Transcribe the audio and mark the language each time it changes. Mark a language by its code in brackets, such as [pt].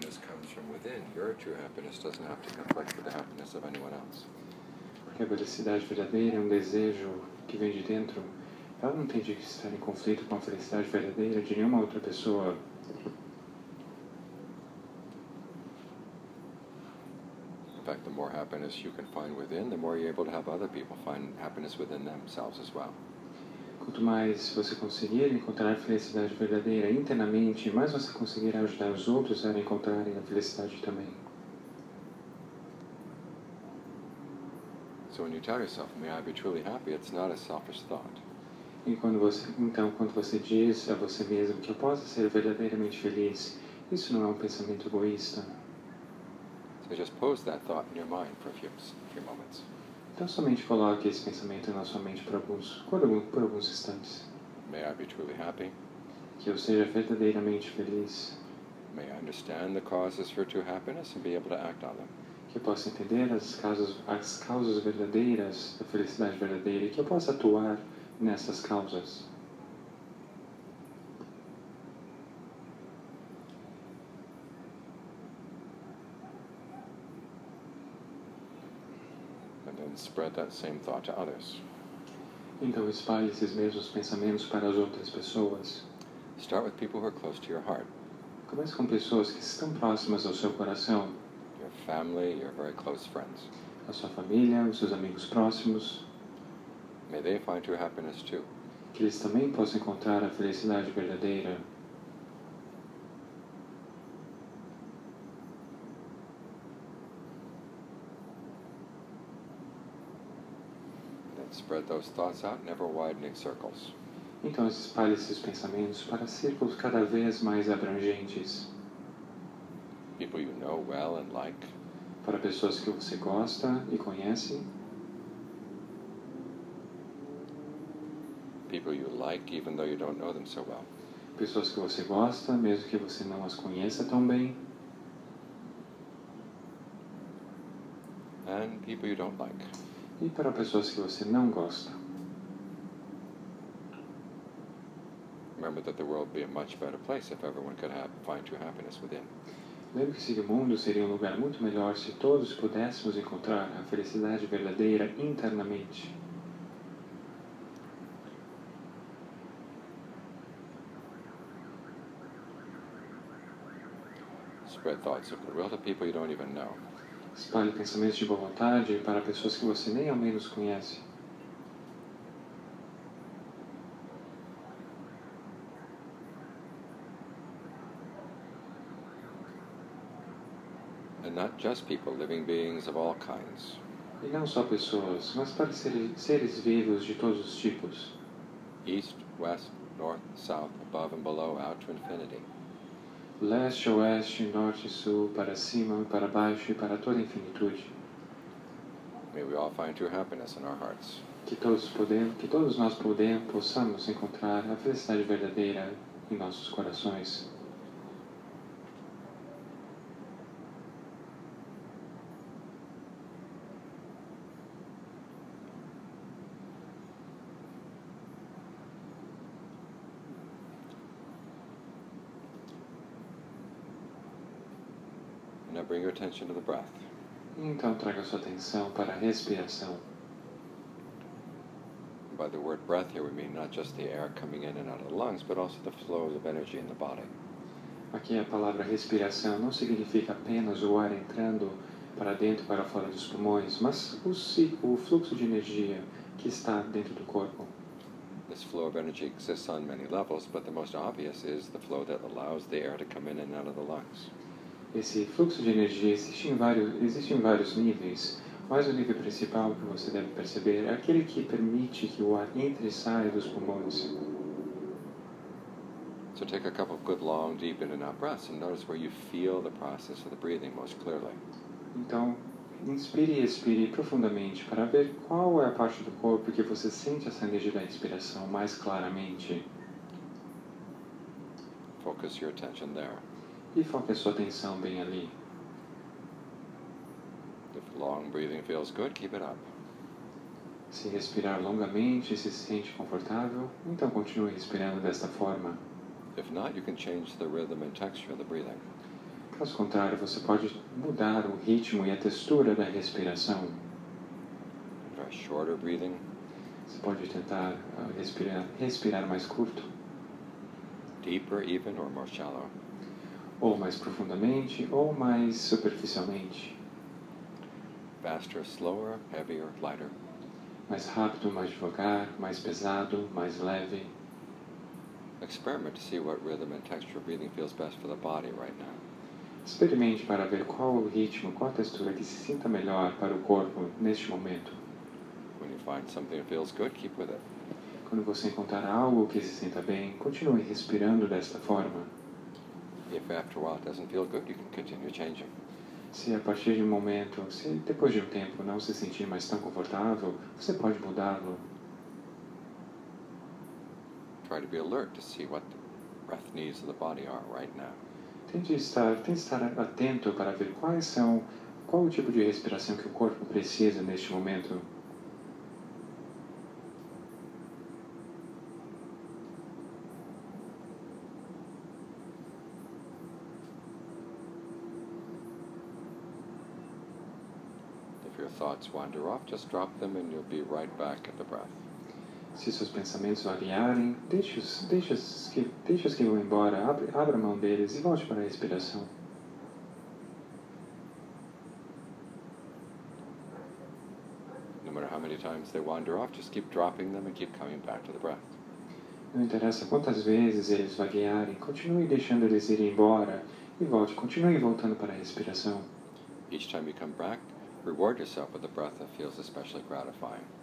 [en] And your true happiness doesn't have to conflict with the happiness of anyone else. [pt] Porque a felicidade verdadeira é desejo que vem de dentro. Ela não tem de estar em conflito com a felicidade verdadeira de nenhuma outra pessoa. [en] In fact, the more happiness you can find within, the more you're able to have other people find happiness within themselves as well. [pt] Quanto mais você conseguir encontrar a felicidade verdadeira internamente, mais você conseguirá ajudar os outros a encontrarem a felicidade também. [en] So when you tell yourself, "May I be truly happy?" it's not a selfish thought. [pt] E quando você, então, quando você diz a você mesmo que eu possa ser verdadeiramente feliz, isso não é pensamento egoísta. [en] So just pose that thought in your mind for a few moments. [pt] Então somente coloque esse pensamento na sua mente por alguns instantes. [en] May I be truly happy? [pt] Que eu seja verdadeiramente feliz. [en] May I understand the causes for true happiness and be able to act on them? [pt] Que eu possa entender as causas verdadeiras da felicidade verdadeira e que eu possa atuar nessas causas. [en] Spread that same thought to others. [pt] Então espalhe esses mesmos pensamentos para as outras pessoas. [en] Start with people who are close to your heart. [pt] Comece com pessoas que estão próximas ao seu coração. [en] Your family, your very close friends. [pt] A sua família, os seus amigos próximos. [en] May they find true happiness too. [pt] Que eles também possam encontrar a felicidade verdadeira. [en] Spread those thoughts out in ever widening circles. [pt] Então espalhe esses pensamentos para círculos cada vez mais abrangentes. [en] People you know well and like. [pt] Para pessoas que você gosta e conhece. [en] People you like even though you don't know them so well. [pt] Pessoas que você gosta mesmo que você não as conheça tão bem. [en] And people you don't like. [pt] E para pessoas que você não gosta. [en] Remember that the world would be a much better place if everyone could find true happiness within. [pt] Lembre-se que o mundo seria um lugar muito melhor se todos pudéssemos encontrar a felicidade verdadeira internamente. [en] Spread thoughts of goodwill to people you don't even know. [pt] Espalhe pensamentos de boa vontade para pessoas que você nem ao menos conhece. [en] And not just people, living beings of all kinds. [pt] E não só pessoas, mas para seres vivos de todos os tipos. [en] East, west, north, south, above and below, out to infinity. [pt] Leste, oeste, norte, sul, para cima, para baixo e para toda a infinitude. [en] May we all find true happiness in our hearts. [pt] Que todos nós possamos encontrar a felicidade verdadeira em nossos corações. [en] Bring your attention to the breath. [pt] Então traga sua atenção para a respiração. [en] By the word breath here we mean not just the air coming in and out of the lungs, but also the flow of energy in the body. [pt] Aqui a palavra respiração não significa apenas o ar entrando para dentro e para fora dos pulmões, mas o fluxo de energia que está dentro do corpo. [en] This flow of energy exists on many levels, but the most obvious is the flow that allows the air to come in and out of the lungs. [pt] Esse fluxo de energia existe em vários níveis, mas o nível principal que você deve perceber é aquele que permite que o ar entre e saia dos pulmões. [en] So take a couple of good long deep in and out breaths and notice where you feel the process of the breathing most clearly. [pt] Então, inspire e expire profundamente para ver qual é a parte do corpo que você sente essa energia da inspiração mais claramente. [en] Focus your attention there. [pt] E foque a sua atenção bem ali. [en] If long breathing feels good, keep it up. [pt] Se respirar longamente e se sente confortável, então continue respirando desta forma. [en] If not, you can change the rhythm and texture of the breathing. [pt] Caso contrário, você pode mudar o ritmo e a textura da respiração. [en] Try shorter breathing. [pt] Você pode tentar respirar mais curto. [en] Deeper even or more shallow. [pt] Ou mais profundamente ou mais superficialmente. [en] Faster, slower, heavier, lighter. [pt] Mais rápido, mais devagar, mais pesado, mais leve. [en] Experiment to see what rhythm and texture of breathing feels best for the body right now. [pt] Experimente para ver qual o ritmo, qual a textura que se sinta melhor para o corpo neste momento. [en] When you find something that feels good, keep with it. [pt] Quando você encontrar algo que se sinta bem, continue respirando desta forma. [en] If after a while it doesn't feel good, you can continue changing. [pt] Se a partir de um momento, se depois de um tempo não se sentir mais tão confortável, você pode mudá-lo. [en] Try to be alert to see what the breath needs of the body are right now. [pt] Tente estar atento para ver qual o tipo de respiração que o corpo precisa neste momento. [en] Thoughts wander off, just drop them and you'll be right back at the breath. [pt] Se seus pensamentos variarem, deixe-os que vão embora, abra a mão deles e volte para a respiração. [en] No matter how many times they wander off, just keep dropping them and keep coming back to the breath. [pt] Não interessa quantas vezes eles vaguearem, continue deixando eles irem embora e volte, continue voltando para a respiração. [en] Each time you come back, reward yourself with a breath that feels especially gratifying.